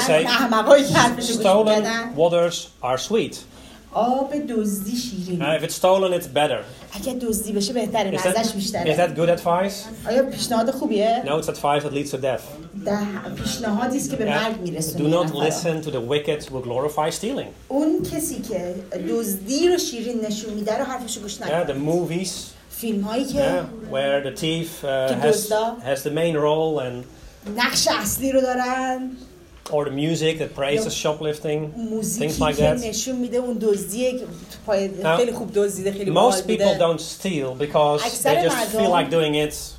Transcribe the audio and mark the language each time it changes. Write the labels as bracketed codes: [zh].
[fa] احمقای حرفش رو گوش می‌دادن. [en] Waters are sweet. [fa] آب دزدی شیرین. [en] If it's stolen, it's better. [fa] اگه دزدی بشه بهتره. مزهش بیشتره. [en] Is that good advice? [fa] آیا پیشنهاد خوبیه؟ [en] No, it's advice that leads to death. [fa] پیشنهادی است که به مرگ میرسونه. [en] Do not listen to the wicked who glorify stealing. [fa] اون کسی که دزدی رو شیرین نشون میده رو حرفشو گوش نکن. [en] Yeah, the movies. [fa] فیلمایی که. [en] Yeah, where the thief has the main role and. [fa] نقش اصلی رو دارن. [en] Or the music that praises shoplifting, things like that. Now, most people don't steal because they just feel like doing it.